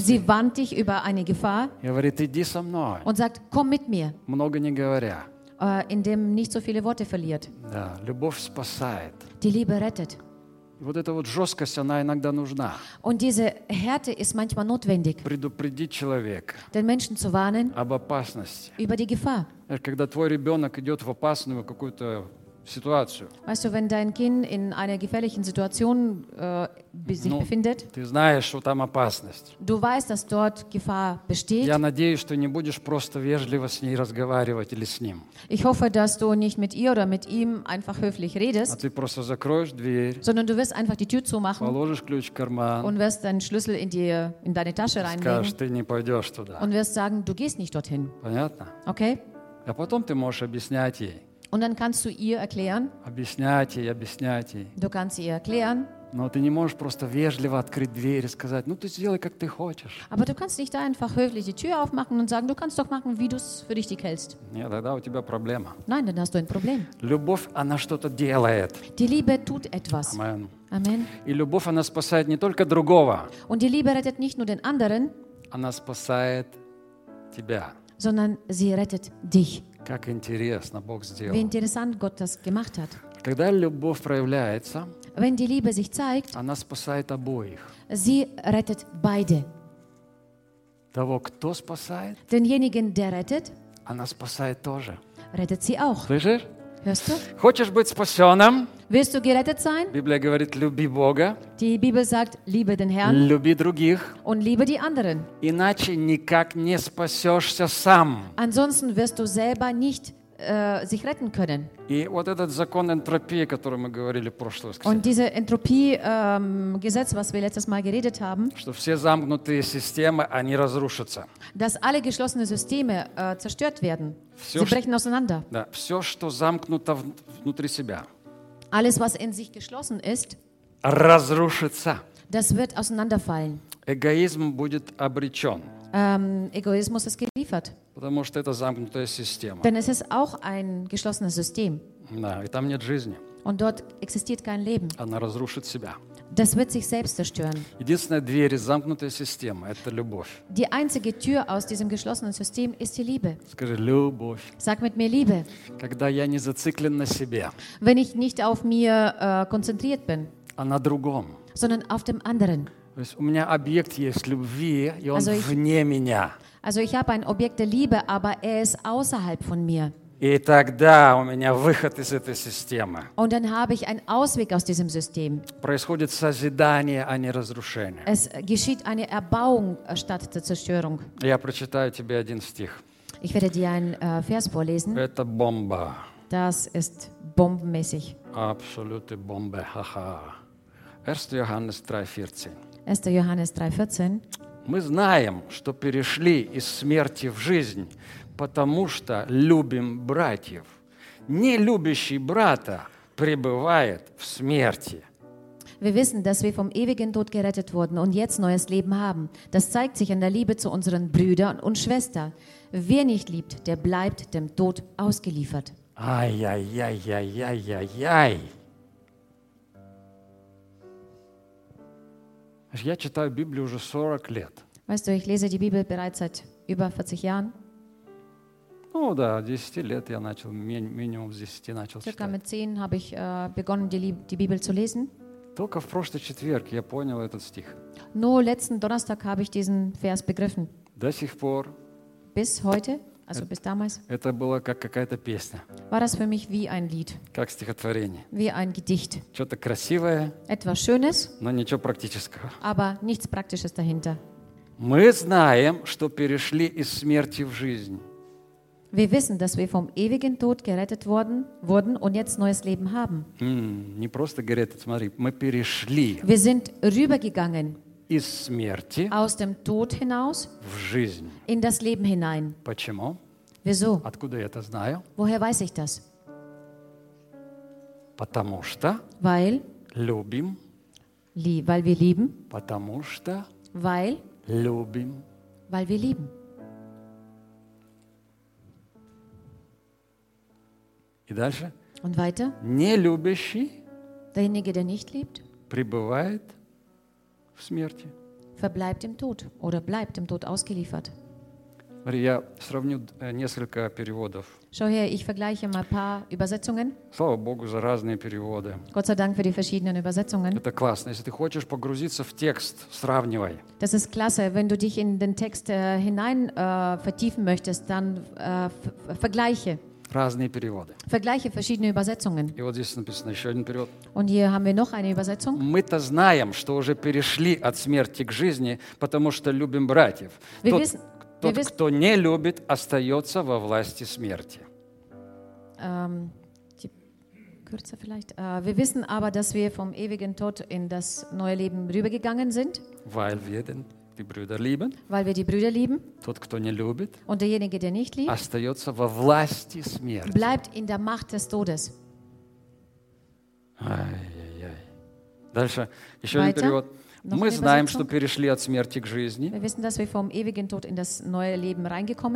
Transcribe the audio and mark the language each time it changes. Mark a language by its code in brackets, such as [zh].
[de] Sie warnt dich über eine Gefahr. [ru] Говорит, иди со мной. [de] Und sagt, komm mit mir. [ru] Много не говоря. [de] Indem nicht so viele Worte verliert. [ru] Да, любовь спасает. [de] Die Liebe rettet. [ru] Вот эта вот жесткость, она иногда нужна. [de] Und diese Härte ist manchmal notwendig. [ru] Предупредить человека. [de] Den Menschen zu warnen. [ru] Об опасности. [de] Über die Gefahr. [ru] Когда твой ребенок идет в опасную какую-то ситуацию. [de] Weißt du, wenn dein Kind in einer gefährlichen Situation sich befindet. [ru] Ты знаешь, что там опасность. [de] Du weißt, dass dort Gefahr besteht. [ru] Я надеюсь, что не будешь просто вежливо с ней разговаривать или с ним. [de] Ich hoffe, dass du nicht mit ihr oder mit ihm einfach höflich redest. [ru] А ты просто закроешь дверь. [de] Sondern du wirst einfach die Tür zumachen. [ru] Положишь ключ в карман. [de] Und wirst deinen Schlüssel in deine Tasche reinlegen. [ru] Скажешь, ты не пойдешь туда. [de] Und wirst sagen, du gehst nicht dorthin. [ru] Понятно? [de] Okay? [ru] А потом ты можешь объяснять ей. [de] Und dann kannst du ihr erklären. [ru] Объяснять ей, объяснять ей. [de] Du kannst ihr erklären. [ru] Но ты не можешь просто вежливо открыть дверь и сказать, ну ты сделай, как ты хочешь. [de] Aber du kannst nicht einfach höflich die Tür aufmachen und sagen, du kannst doch machen, wie du es für richtig hältst. [ru] Нет, тогда у тебя проблема. [de] Nein, dann hast du ein Problem. [ru] Любовь, она что-то делает. [de] Die Liebe tut etwas. [ru] Amen. [de] Amen. [ru] И любовь, она спасает не только другого. [de] Und die Liebe rettet nicht nur den anderen. [ru] Она спасает тебя. [de] Sondern sie rettet dich. [ru] Как интересно Бог сделал. [de] Wie interessant Gott das gemacht hat. [ru] Когда любовь проявляется, [de] wenn die Liebe sich zeigt, [ru] она спасает обоих. [de] Sie rettet beide. [ru] Того, кто спасает, [de] denjenigen, der rettet, [ru] она спасает тоже. [de] Rettet sie auch. [ru] Слышишь? [de] Hörst du? [ru] Хочешь быть спасенным? [de] Willst du gerettet sein? [ru] Библия говорит, люби Бога. [de] Die Bibel sagt, liebe den Herrn. [ru] Люби других. [de] Und liebe die anderen. [ru] Иначе никак не спасешься сам. [de] Ansonsten wirst du selber nicht sich retten können. [ru] И вот этот закон энтропии, о котором мы говорили в прошлый раз. [de] Und diese Entropie-Gesetz, was wir letztes Mal geredet haben. [ru] Что все замкнутые системы, они разрушатся. [de] Dass alle geschlossenen Systeme zerstört werden. [ru] Все, [de] Sie brechen auseinander. [ru] Да, все, что замкнуто внутри себя. [de] Alles, was in sich geschlossen ist. [ru] Разрушится. [de] Das wird auseinanderfallen. [ru] Эгоизм будет обречен. [de] Egoismus ist geliefert. [ru] Потому что это замкнутая система. [de] Denn es ist auch ein geschlossenes System. [ru] Да, и там нет жизни. [de] Und dort existiert kein Leben. [ru] Она разрушит себя. [de] Das wird sich selbst zerstören. [ru] Единственная дверь из замкнутой системы – это любовь. [de] Die einzige Tür aus diesem geschlossenen System ist die Liebe. [ru] Скажи, любовь. [de] Sag mit mir Liebe. [ru] Когда я не зациклен на себе. [de] Wenn ich nicht auf mir konzentriert bin. [ru] А на другом. [de] Sondern auf dem anderen. [ru] То есть у меня объект есть любви, и он вне меня. [de] Also ich habe ein Objekt der Liebe, aber er ist außerhalb von mir. [ru] И тогда у меня выход из этой системы. [de] Und dann habe ich einen Ausweg aus diesem System. [ru] Происходит созидание, а не разрушение. [de] Es geschieht eine Erbauung statt der Zerstörung. [ru] Я прочитаю тебе один стих. [de] Ich werde dir einen Vers vorlesen. [ru] Это бомба. [de] Das ist bombenmäßig. Absolute Bombe, haha. 1. Johannes 3,14. 1. Johannes 3,14. [ru] Мы знаем, что перешли из смерти в жизнь, потому что любим братьев. Не любящий брата пребывает в смерти. [de] Wir wissen, dass wir vom ewigen Tod gerettet wurden und jetzt neues Leben haben. Das zeigt sich in der Liebe zu unseren Brüdern und Schwestern. Wer nicht liebt, der bleibt dem Tod ausgeliefert. Ай-яй-яй-яй-яй-яй-яй. [ru] Я читаю Библию уже 40 лет. [de] Weißt du, ich lese die Bibel bereits seit über 40 Jahren. [ru] Ну да, 10 лет я начал, минимум с 10 начал читать. Только [de] mit 10 habe ich begonnen, die Bibel zu lesen. [ru] Только в прошлый четверг я понял этот стих. [de] Nur letzten Donnerstag habe ich diesen Vers begriffen. [ru] До сих пор. [de] Bis heute, also bis damals. [ru] Это было как какая-то песня. [de] War das für mich wie ein Lied. [ru] Как стихотворение. [de] Wie ein Gedicht. [ru] Что-то красивое. [de] Etwas Schönes. [ru] Но ничего практического. [de] Aber nichts Praktisches dahinter. [ru] Мы знаем, что перешли из смерти в жизнь. [de] Wir wissen, dass wir vom ewigen Tod gerettet wurden und jetzt neues Leben haben. [ru] Не просто [de] gerettet, [ru] смотри, мы перешли. [de] Wir sind rübergegangen. [ru] Из смерти. [de] Aus dem Tod hinaus. [ru] В жизнь. [de] In das Leben hinein. [ru] Почему? [de] Wieso? [ru] Откуда я это знаю? [de] Woher weiß ich das? [ru] Потому что. [de] Weil. [ru] Любим. [de] Weil wir lieben. [ru] Потому что. [de] Weil. [ru] Любим. [de] Weil wir lieben. [ru] И дальше. [de] Und weiter. [ru] Не любящий. [de] Derjenige, der nicht liebt. [ru] Пребывает. В смерти. [de] Verbleibt im Tod oder bleibt im Tod ausgeliefert. [ru] Я сравню несколько переводов. [de] Schau her, ich vergleiche mal ein paar Übersetzungen. [ru] Слава Богу за разные переводы. [de] Gott sei Dank für die verschiedenen Übersetzungen. [ru] Это классно. Если ты хочешь погрузиться в текст, сравнивай. [de] Das ist klasse, wenn du dich in den Text hinein vertiefen möchtest, dann vergleiche. [ru] Разные переводы. [de] Vergleiche verschiedene Übersetzungen. [ru] И вот здесь написано еще один перевод. [de] Und hier haben wir noch eine Übersetzung. [ru] Мы-то знаем, что уже перешли от смерти к жизни, потому что любим братьев. Кто не любит, остается во власти смерти. [de] Kürzer vielleicht. Wir wissen aber, dass wir vom ewigen Tod in das neue Leben rübergegangen sind. Weil wir denn die Brüder lieben. Weil wir die Brüder lieben. [ru] Тот, кто не любит, [de] und derjenige, der nicht liebt, [ru] остается во власти смерти. [de] Bleibt in der Macht des Todes. [ru] Ай-яй-яй. Дальше. Еще [de] Weiter. Ein [ru] перевод. Мы знаем, что перешли от смерти к жизни. [de] Wir wissen, dass wir vom ewigen Tod in das neue Leben reingekommen